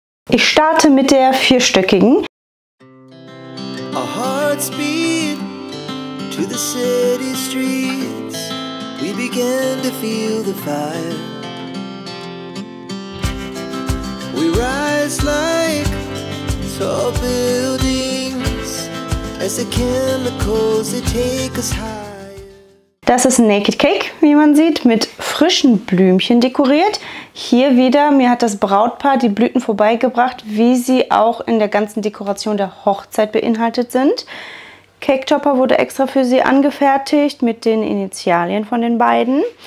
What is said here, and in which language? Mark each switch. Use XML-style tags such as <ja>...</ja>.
<de>Ich starte mit der vierstöckigen.</de> <en>Our hearts beat to the city streets. We begin to feel the fire. We rise like tall buildings as the chemicals they take us higher.</en> <de>Das ist ein Naked Cake, wie man sieht, mit frischen Blümchen dekoriert. Hier wieder, mir hat das Brautpaar die Blüten vorbeigebracht, wie sie auch in der ganzen Dekoration der Hochzeit beinhaltet sind. Cake Topper wurde extra für sie angefertigt mit den Initialen von den beiden.</de>